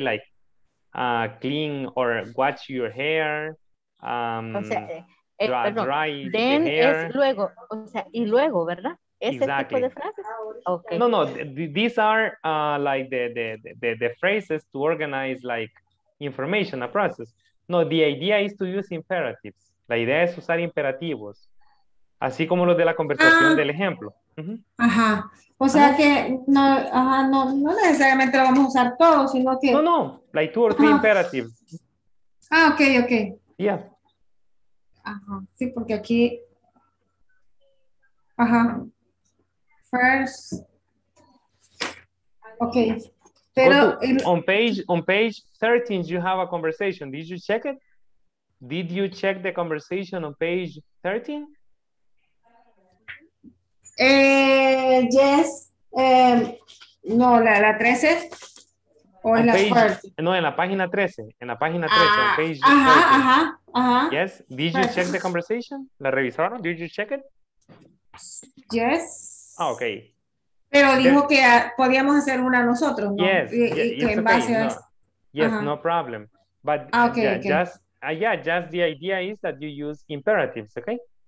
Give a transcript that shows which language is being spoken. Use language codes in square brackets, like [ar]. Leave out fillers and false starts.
[en] Like clean or wash your hair, dry then the hair. [es] Es luego, o sea, y luego, ¿verdad? [en] Exactly. No, these are like the phrases to organize like information, a process. No, the idea is to use imperatives. [es] La idea es usar imperativos. Así como los de la conversación del ejemplo. Ajá. O sea que no necesariamente lo vamos a usar todos, sino que... [en] No, like two or three imperatives. Ah, okay. Yeah. [es] Ajá. Sí, porque aquí... Ajá. [en] First, okay. [es] Pero [en] on page 13, you have a conversation. Did you check it? Did you check the conversation on page 13? Yes. [es] No, la 13. O en la [en] page, [es] no, en la página 13. En la página 13. [en] On page 13. [es] Ajá. [en] Yes. Did you check the conversation? [es] ¿La revisaron? [en] Did you check it? Yes. Ah, oh, okay. [es] Pero dijo que podíamos hacer una nosotros, ¿no? [en] Yes, no problem. But just the idea is that you use imperatives, okay?